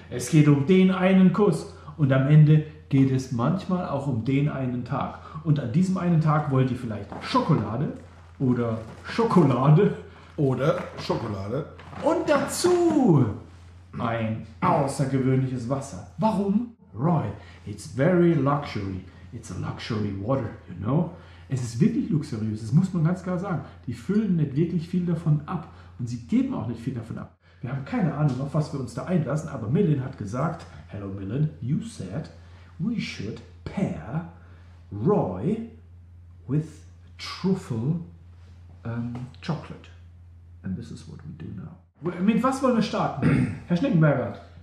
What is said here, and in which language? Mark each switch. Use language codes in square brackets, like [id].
[de] Es geht um den einen Kuss. Und am Ende geht es manchmal auch um den einen Tag. Und an diesem einen Tag wollt ihr vielleicht Schokolade oder Schokolade. Oder Schokolade. Und dazu ein außergewöhnliches Wasser. [en] Warum? Roy, it's very luxury. It's a luxury water, you know? [de] Es ist wirklich luxuriös, das muss man ganz klar sagen. Die füllen nicht wirklich viel davon ab. Und sie geben auch nicht viel davon ab. Wir haben keine Ahnung, auf was wir uns da einlassen, aber Millen hat gesagt, [en] hello Millen, you said we should pair Roy with truffle chocolate. And this is what we do now. [de] Mit was wollen wir starten? Herr Schneckenberger,